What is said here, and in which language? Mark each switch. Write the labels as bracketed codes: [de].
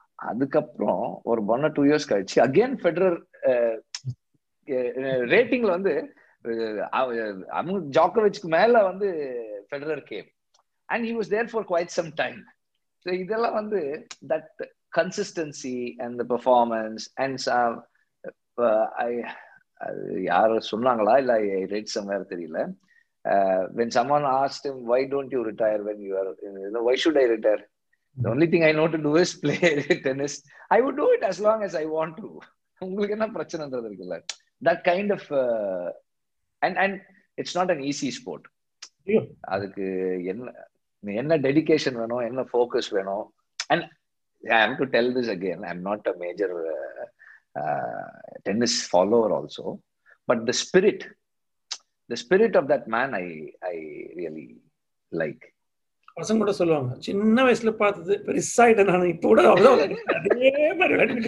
[ta] அதுக்கப்புறம் ஒரு [en] 1 or 2 years [ta] கழிச்சு [en] again Federer [ta] ரேட்டிங்ல வந்து ஜோகோவிச்சுக்கு மேல வந்து [en] Federer came and he was there for quite some time. So [ta] இதெல்லாம் வந்து [en] that consistency and the performance and some [ta] அது யாரும் சொன்னாங்களா இல்ல [en] I read somewhere [ta] தெரியல. [en] When someone asked him why don't you retire when you are why should I retire? The only thing I know to do is play tennis. I would do it as long as I want to. [ta] உங்களுக்கு என்ன பிரச்சனைன்றது இருக்குல்ல. [en] That kind of and it's not an easy sport. [ta] அதுக்கு என்ன என்ன dedication வேணும், என்ன focus வேணும். [en] And I have to tell this again, I'm not a major tennis follower also, but the spirit of that man I really like. [ta] பசங்க கூட சொல்லுவாங்க சின்ன வயசுல பார்த்தது பெருசா ஆயிட்டேன் நான் இப்ப கூட அவ்வளவு அதே மாதிரி.